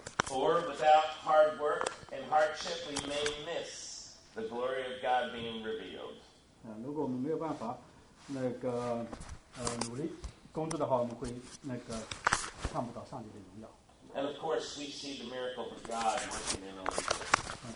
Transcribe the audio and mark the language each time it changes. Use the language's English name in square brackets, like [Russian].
[English] Or without hard work and hardship, we may miss the glory of God being revealed. [Chinese] 如果我们没有办法那个努力工作的话，我们会那个看不到上帝的荣耀。 [English] And of course, we see the miracle of God working in our lives.